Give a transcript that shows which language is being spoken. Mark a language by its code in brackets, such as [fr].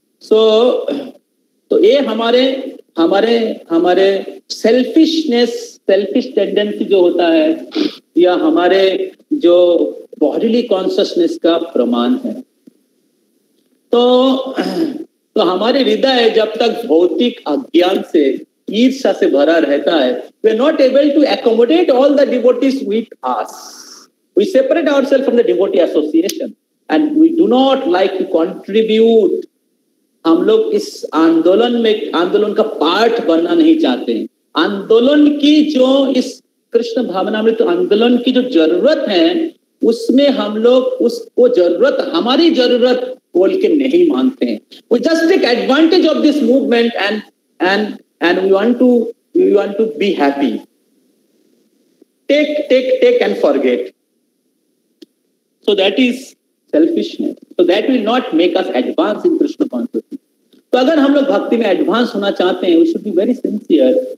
[hi] तो ये हमारे हमारे हमारे सेल्फिशनेस, सेल्फिश टेंडेंसी जो होता है, या हमारे जो बॉडीली कॉन्शियसनेस का प्रमाण है। तो हमारे हृदय जब तक भौतिक अज्ञान से, ईर्ष्या से भरा रहता है, [en] we are not able to accommodate all the devotees with us. We separate ourselves from the devotee association and we do not like to contribute. [hi] हम लोग इस आंदोलन में, आंदोलन का पार्ट बनना नहीं चाहते। आंदोलन की जो, इस कृष्ण भावनामृत आंदोलन की जो जरूरत है, उसमें हम लोग उसको जरूरत, हमारी जरूरत बोल के नहीं मानते हैं। [en] We just take advantage of this movement and we want to be happy. Take and forget. So that is selfishness. So that will not make us advance in Krishna consciousness. So [hi] agar hum log bhakti mein advance hona chahte hain, [en] we should be very sincere